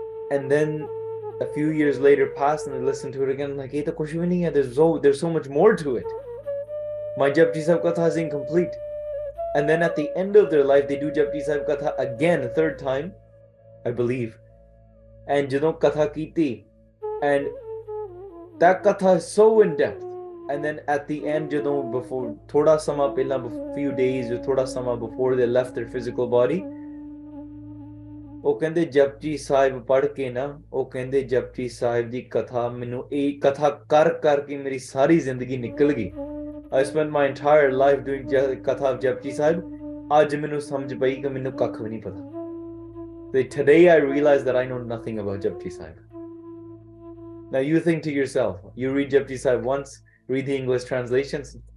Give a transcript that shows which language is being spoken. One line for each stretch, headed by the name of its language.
English: And then a few years later pass, and I listen to it again, like,
Punjabi: eh, ta kuch bhi nahi hai,
English: there's so much more to it. My Japji Sahib Katha is incomplete. And then at the end of their life, they do Japji Sahib Katha again, a third time, I believe. And
Punjabi: jadon katha kiti,
English: and that katha is so in depth. And then at the end,
Punjabi: jadon before, thoda sama pehla,
English: a few days, or
Punjabi: thoda sama
English: before they left their physical body,
Punjabi: ਉਹ ਕਹਿੰਦੇ ਜਪਜੀ ਸਾਹਿਬ ਪੜ੍ਹ ਕੇ ਨਾ, ਉਹ ਕਹਿੰਦੇ ਜਪਜੀ ਸਾਹਿਬ ਦੀ ਕਥਾ ਮੈਨੂੰ ਇਹ ਕਥਾ ਕਰ ਕਰਕੇ ਮੇਰੀ ਸਾਰੀ ਜ਼ਿੰਦਗੀ ਨਿਕਲ ਗਈ,
English: I spent my entire life doing Katha of Japji Sahib.
Punjabi: Aaj mainu samjh payi ki mainu kakh vi nahi pata.
English: Today I realized that I know nothing about Japji Sahib. Now you think to yourself, you read Japji Sahib once, read the English translations.